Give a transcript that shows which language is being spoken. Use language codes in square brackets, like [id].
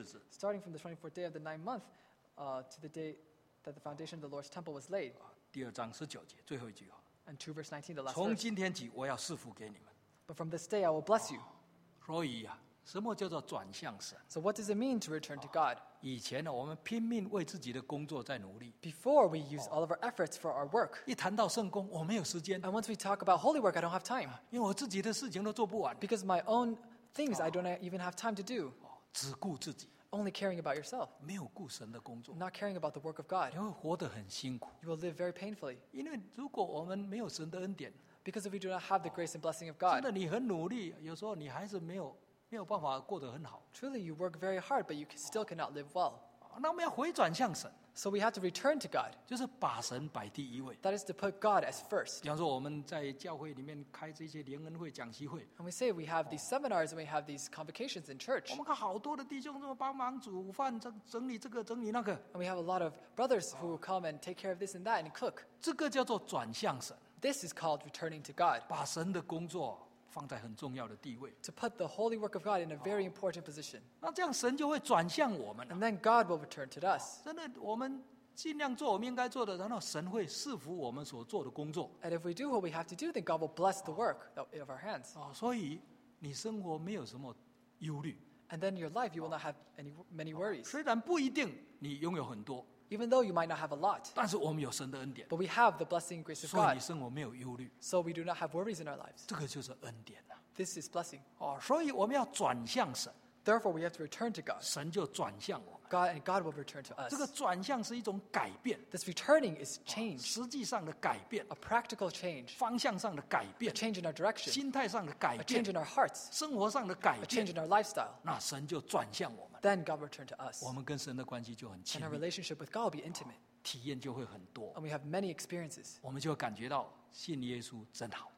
[en] Starting from the 24th day of the ninth month to the day that the foundation of the Lord's temple was laid. [zh] 第二章19节, 最后一句话, [en] and 2 verse 19, the last [zh] 从今天起, [en] verse. [zh] 我要赐福给你们, [en] but from this day I will bless you. [zh] 所以啊, 什么叫做转向神? [en] So what does it mean to return to God? [zh] 以前呢, [en] before, we use all of our efforts for our work. [zh] 一谈到圣工, [en] and once we talk about holy work, I don't have time. [zh] 因为我自己的事情都做不完, [en] because my own things, I don't even have time to do. [zh] 只顾自己, [en] only caring about yourself. [zh] 没有顾神的工作, [en] not caring about the work of God. [zh] 因为活得很辛苦, [en] you will live very painfully. [zh] 因为如果我们没有神的恩典, [en] because if we do not have the grace and blessing of God, [zh] 真的你很努力, 有时候你还是没有, 没有办法过得很好, [en] truly, you work very hard, but you still cannot live well. [zh] 那我们要回转向神, [en] so we have to return to God. [zh] 就是把神摆第一位, [en] that is to put God as first. [zh] 比方说我们在教会里面开这些联恩会讲习会, [en] and we say we have these seminars and we have these convocations in church. [zh] 我们看好多的弟兄这么帮忙煮饭,整理这个,整理那个, [en] and we have a lot of brothers who come and take care of this and that and cook. [zh] 这个叫做转向神, [en] this is called returning to God. [zh] 把神的工作, 放在很重要的地位, [en] to put the holy work of God in a very important position. [zh] 那这样神就会转向我们, [en] and then God will return to us. [zh] 真的我们尽量做我们应该做的, 然后神会赐福我们所做的工作, [en] and if we do what we have to do, then God will bless the work of our hands. [zh] 所以你生活没有什么忧虑, [en] and then in your life you will not have many worries. [zh] 虽然不一定你拥有很多, [en] even though you might not have a lot, [zh] 但是我们有神的恩典, [en] but we have the blessing and grace of God. [zh] 所以你生活没有忧虑, [en] so we do not have worries in our lives. [zh] 这个就是恩典啊, [en] this is blessing. [zh] 哦, 所以我们要转向神, [en] therefore, we have to return to God. [zh] 神就转向我们, [en] God, and God will return to us. [zh] 这个转向是一种改变, [en] this returning is change. [zh] 实际上的改变, [en] a practical change. [zh] 方向上的改变, [en] a change in our direction. [zh] 心态上的改变, [en] a change in our hearts. [zh] 生活上的改变, [en] a change in our lifestyle. [zh] 那神就转向我们, [en] then God will turn to us. [zh] 我们跟神的关系就很亲密, [en] and our relationship with God will be intimate. [zh] 体验就会很多, [en] and we have many experiences. [zh] 我们就感觉到信耶稣真好,